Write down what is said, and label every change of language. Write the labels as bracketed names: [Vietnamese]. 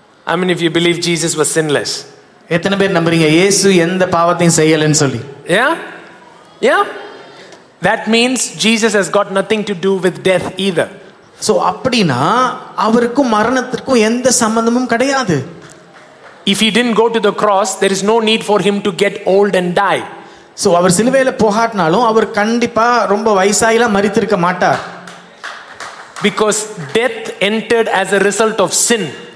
[English] I mean if you believe Jesus was sinless. [Tamil] எத்தனை பேர் நம்புறீங்க இயேசு எந்த பாவத்தையும் செய்யலன்னு சொல்லி? [English] Yeah. That means Jesus has got nothing to do with death either. [Tamil] So அப்படினா அவருக்கு மரணத்துக்கு எந்த சம்பந்தமும் கிடையாது. [English] If he didn't go to the cross, there is no need for him to get old and die. [Tamil] So அவர் சிலுவையில் போகாட்டினாலும் அவர் கண்டிப்பா ரொம்ப வயசாயிலாம் மரித்திருக்க மாட்டார். [English] Because death entered as a result of sin.